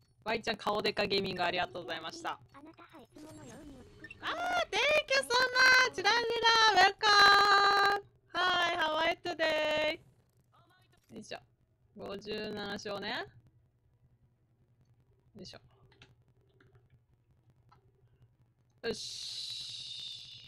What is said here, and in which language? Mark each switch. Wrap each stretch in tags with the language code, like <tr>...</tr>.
<ja>ワイちゃん顔でかゲーミング、ありがとうございました。</ja> <en>あー、Thank you so much! ラミラー、Welcome! Hi, how are you today?</en> <ja>よいしょ。 57章ね。よいしょ。よし。</ja>